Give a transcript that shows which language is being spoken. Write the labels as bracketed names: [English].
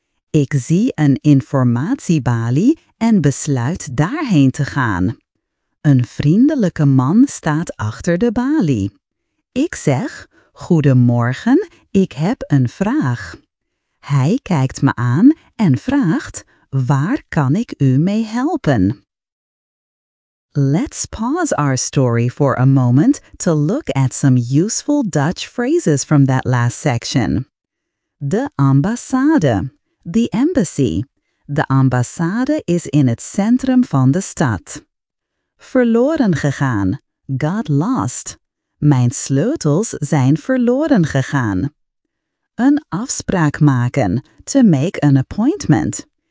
[Dutch] Ik zie een informatiebalie en besluit daarheen te gaan. Een vriendelijke man staat achter de balie. Ik zeg, goedemorgen, ik heb een vraag. Hij kijkt me aan en vraagt, waar kan ik u mee helpen? [English] Let's pause our story for a moment to look at some useful Dutch phrases from that last section. [Dutch] De ambassade. [English] The embassy. [Dutch] De ambassade is in het centrum van de stad. Verloren gegaan. [English] Got lost. [Dutch] Mijn sleutels zijn verloren gegaan. Een afspraak maken. [English] To make an appointment.